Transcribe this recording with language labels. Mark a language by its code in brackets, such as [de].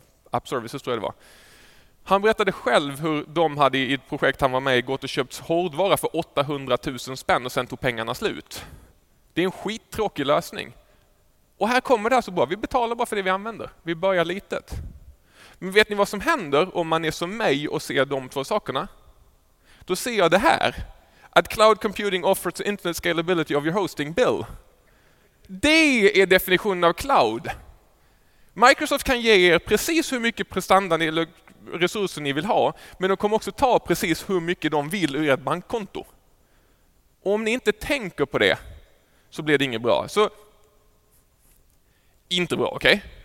[sv] App services tror jag det var. Han berättade själv hur de hade i ett projekt han var med i gått och köpt hårdvara för 800 000 spänn och sen tog pengarna slut. Det är en skittråkig lösning. Och här kommer det alltså bara, vi betalar bara för det vi använder. Vi börjar litet. Men vet ni vad som händer om man är som mig och ser de två sakerna? Då ser jag det här. [en] Att cloud computing offers internet scalability of your hosting bill. [sv] Det är definitionen av cloud. Microsoft kan ge er precis hur mycket prestanda ni eller resurser ni vill ha, men de kommer också ta precis hur mycket de vill ur ert bankkonto. Och om ni inte tänker på det så blir det inget bra. Så inte bra, okej?